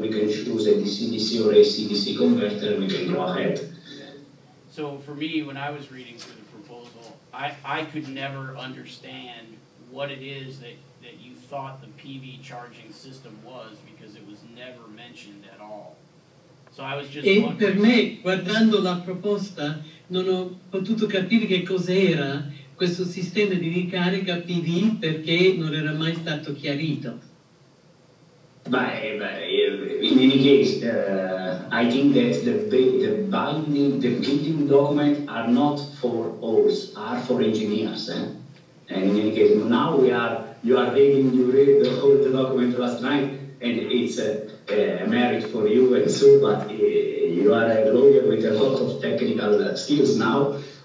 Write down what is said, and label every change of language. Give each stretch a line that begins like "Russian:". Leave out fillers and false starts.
English: We can choose a DC-DC or AC-DC converter. We can go ahead. So for me, when I was reading through the proposal, I could never understand what it is that you thought the PV charging system was, because it was never mentioned at all. So I was just wondering.
Italian: E per me, guardando la proposta, non ho potuto capire che cos'era questo sistema di ricarica PV, perché non era mai stato chiarito.
English: But in any case, I think that the binding, the building document are not for us, are for engineers. Eh? And in any case, now we are, you are reading, you read the whole document last night, and it's a merit for you and so, but you are a lawyer with a lot of technical skills now.